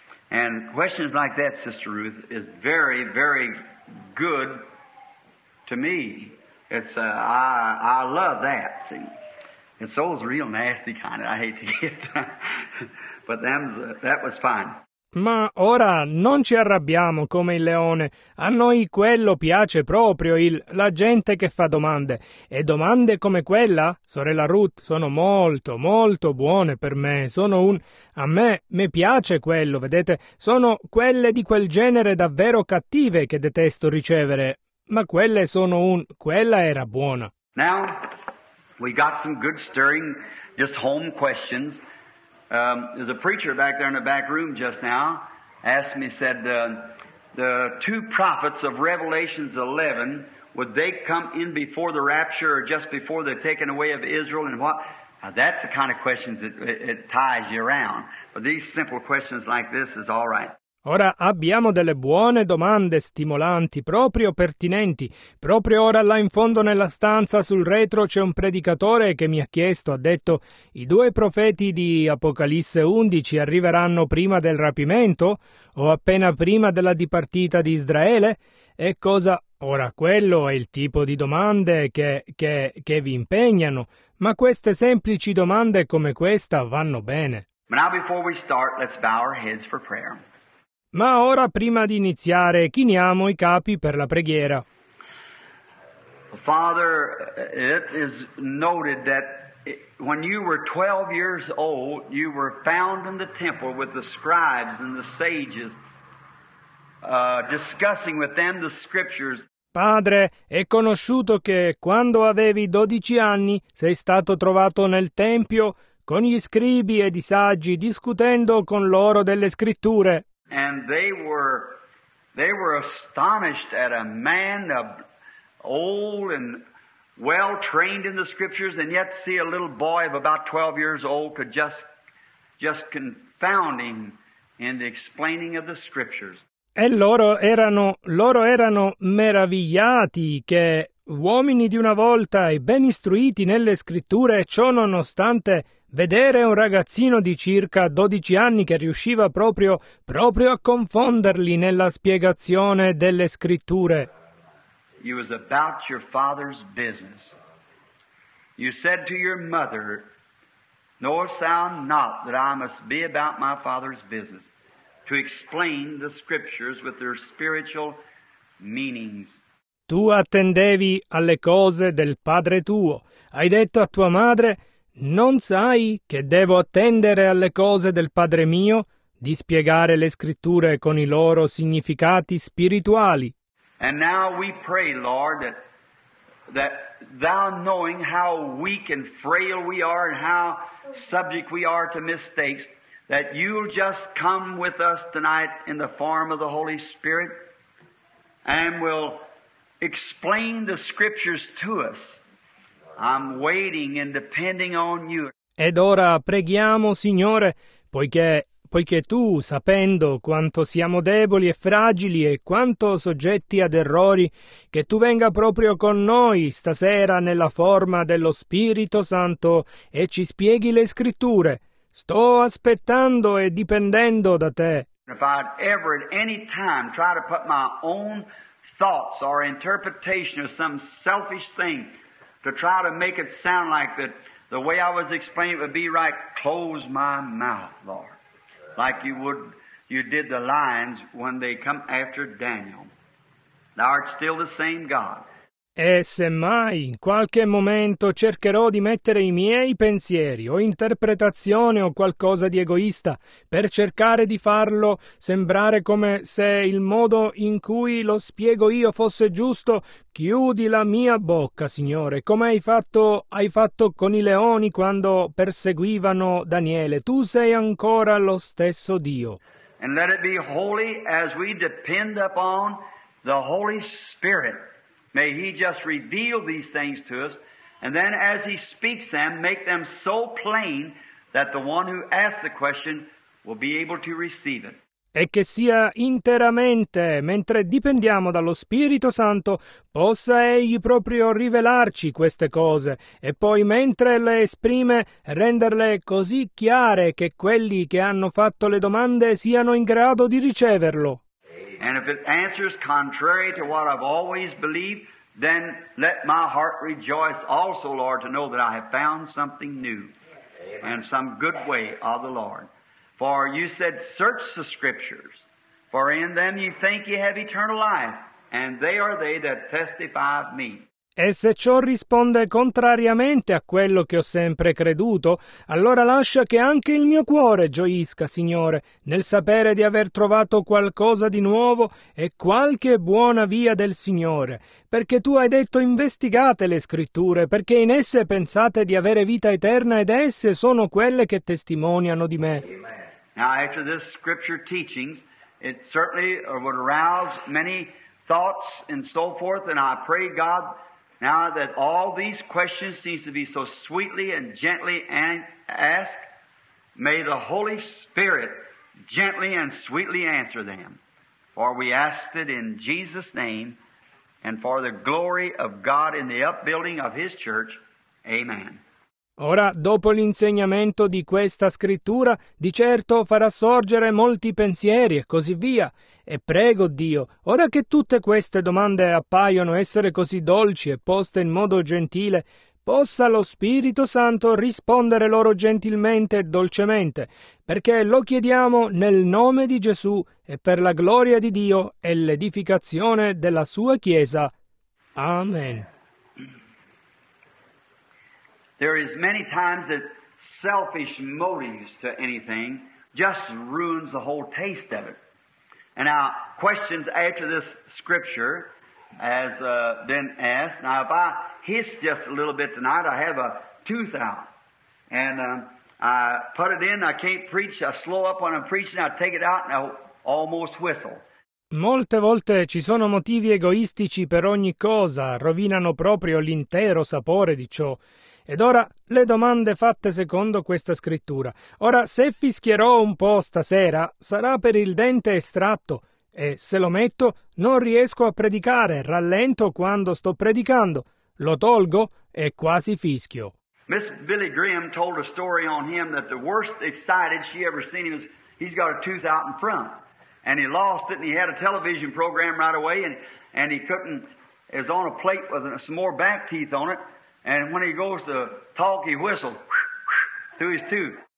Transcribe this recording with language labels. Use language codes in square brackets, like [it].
[en] And questions like that, Sister Ruth, is very, very good to me. It's I love that. See, it's those real nasty kind of. I hate to get, but that was fine. [it] Ma ora non ci arrabbiamo come il leone. A noi quello piace proprio, la gente che fa domande. E domande come quella, sorella Ruth, sono molto, molto buone per me. A me mi piace quello, vedete? Sono quelle di quel genere davvero cattive che detesto ricevere. Ma quelle sono quella era buona. [en] Now, we got some good stirring, just home questions. There's a preacher back there in the back room just now asked me, said, the two prophets of Revelation 11, would they come in before the rapture or just before they're taken away of Israel? And what? Now, that's the kind of questions that it ties you around. But these simple questions like this is all right. [it] Ora abbiamo delle buone domande stimolanti, proprio pertinenti. Proprio ora là in fondo nella stanza sul retro c'è un predicatore che mi ha chiesto, ha detto, i due profeti di Apocalisse 11 arriveranno prima del rapimento o appena prima della dipartita di Israele? E cosa? Ora quello è il tipo di domande che vi impegnano, ma queste semplici domande come questa vanno bene. [en] But now before we start, let's bow our heads for prayer. [it] Ma ora, prima di iniziare, chiniamo i capi per la preghiera. [en] Father, it is noted that when you were 12 years old, you were found in the temple with the scribes and the sages, discussing with them the scriptures. [it] Padre, è conosciuto che quando avevi 12 anni sei stato trovato nel tempio con gli scribi ed i saggi discutendo con loro delle scritture. [en] And they were astonished at a man of old and well trained in the scriptures, and yet see a little boy of about 12 years old could just confound him in the explaining of the scriptures. [it] E loro erano meravigliati che uomini di una volta e ben istruiti nelle scritture, ciò nonostante, vedere un ragazzino di circa 12 anni che riusciva proprio a confonderli nella spiegazione delle scritture. [en] You was about your father's business. You said to your mother, knowest thou not that I must be about my father's business, to explain the scriptures with their spiritual meanings. [it] Tu attendevi alle cose del padre tuo. Hai detto a tua madre, non sai che devo attendere alle cose del padre mio, di spiegare le scritture con i loro significati spirituali. [en] And now we pray, Lord, that thou knowing how weak and frail we are and how subject we are to mistakes, that you'll just come with us tonight in the form of the Holy Spirit and will explain the scriptures to us. I'm waiting and depending on you. [it] Ed ora preghiamo, Signore, poiché tu, sapendo quanto siamo deboli e fragili e quanto soggetti ad errori, che tu venga proprio con noi stasera nella forma dello Spirito Santo e ci spieghi le scritture. Sto aspettando e dipendendo da te. [en] If I'd ever at any time try to put my own thoughts or interpretation of some selfish thing to try to make it sound like that the way I was explaining it would be right, close my mouth, Lord. Like you did the lions when they come after Daniel. Thou art still the same God. [it] E se mai in qualche momento cercherò di mettere i miei pensieri o interpretazione o qualcosa di egoista per cercare di farlo sembrare come se il modo in cui lo spiego io fosse giusto, chiudi la mia bocca, Signore, come hai fatto con i leoni quando perseguivano Daniele. Tu sei ancora lo stesso Dio. [en] And let it be holy as we depend upon the Holy Spirit. May he just reveal these things to us, and then as he speaks them, make them so plain that the one who asks the question will be able to receive it. [it] E che sia interamente, mentre dipendiamo dallo Spirito Santo, possa egli proprio rivelarci queste cose, e poi mentre le esprime, renderle così chiare che quelli che hanno fatto le domande siano in grado di riceverlo. [en] And if it answers contrary to what I've always believed, then let my heart rejoice also, Lord, to know that I have found something new. Amen. And some good way of the Lord. For you said, search the scriptures, for in them you think you have eternal life, and they are they that testify of me. [it] E se ciò risponde contrariamente a quello che ho sempre creduto, allora lascia che anche il mio cuore gioisca, Signore, nel sapere di aver trovato qualcosa di nuovo e qualche buona via del Signore, perché tu hai detto investigate le scritture, perché in esse pensate di avere vita eterna ed esse sono quelle che testimoniano di me. [en] Now, after this scripture teachings, it certainly would arouse many thoughts and so forth, and I pray God. Now that all these questions seem to be so sweetly and gently asked, may the Holy Spirit gently and sweetly answer them. For we ask it in Jesus' name and for the glory of God in the upbuilding of His church. Amen. [it] Ora, dopo l'insegnamento di questa scrittura, di certo farà sorgere molti pensieri e così via. E prego Dio, ora che tutte queste domande appaiono essere così dolci e poste in modo gentile, possa lo Spirito Santo rispondere loro gentilmente e dolcemente, perché lo chiediamo nel nome di Gesù e per la gloria di Dio e l'edificazione della sua Chiesa. Amen. [en] There is many times that selfish motives to anything just ruins the whole taste of it. And now, questions after this scripture has been asked. Now, if I hiss just a little bit tonight, I have a tooth out. And I put it in, I can't preach, I slow up when I'm preaching, I take it out and I almost whistle. [it] Molte volte ci sono motivi egoistici per ogni cosa, rovinano proprio l'intero sapore di ciò. Ed ora, le domande fatte secondo questa scrittura. Ora, se fischierò un po' stasera, sarà per il dente estratto. E se lo metto, non riesco a predicare, rallento quando sto predicando. Lo tolgo e quasi fischio. [en] Miss Billy Graham told a story on him that the worst excited she ever seen him is he's got a tooth out in front. And he lost it and he had a television program right away and he couldn't, is on a plate with some more back teeth on it. And when he goes to talk, he whistles through his tooth.